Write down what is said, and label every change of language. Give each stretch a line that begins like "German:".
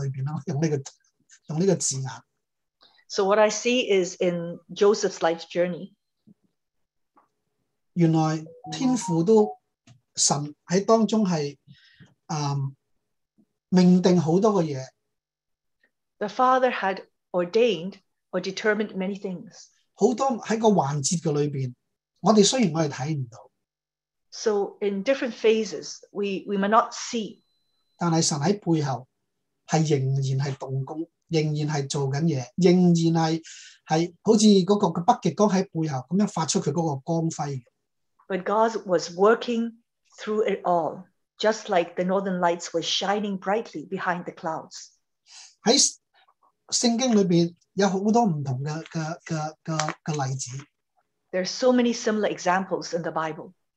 Chinese: 其实我想带出一件事，就是在这个约瑟这个旅程里面，用这个字眼。
English: So what I see is in Joseph's life journey,
Chinese: 原来天父都神在当中是 命定很多的事，
English: the Father had ordained or determined many things.
Chinese: 很多在一个环节里面， 我们虽然看不到，
English: so in different phases, we may not see.
Chinese: 但是神在背后， 是仍然在动工， 仍然在做事， 仍然是好像那个北极光在背后， 这样发出他那个光辉。
English: But God was working through it all, just like the northern lights were shining brightly behind the clouds.
Chinese: 在圣经里面有很多不同的例子。
English: There are so many similar examples in the Bible.